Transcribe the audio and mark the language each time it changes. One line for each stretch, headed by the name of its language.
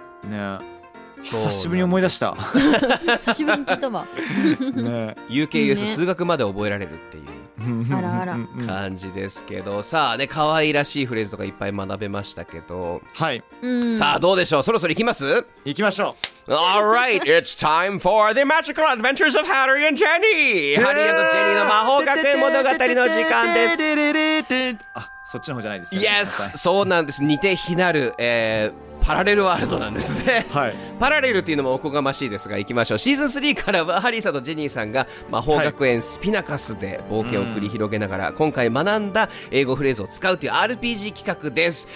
Japanese: ね、久しぶりに思い出した。久しぶりに聞いたわ。ね、UKUS 数学まで覚えられるっていう、ね、あらあら感じですけど、さあね、可愛らしいフレーズとかいっぱい学べましたけど、はい、さあどうでしょう、そろそろ行きます、行きましょう。
English: Alright, it's time for the magical adventures of Harry and Jenny。
Japanese: ハリー&ジェニーの魔法学園物語の時間です。あ、そっちの方じゃないですか、ね、Yes、 そうなんです、似て非なる、パラレルワールドなんですね、はい、パラレルっていうのもおこがましいですが、いきましょう。シーズン3からはハリーさんとジェニーさんが魔法学園スピナカスで冒険を繰り広げながら、はい、今回学んだ英語フレーズを使うという RPG 企画です。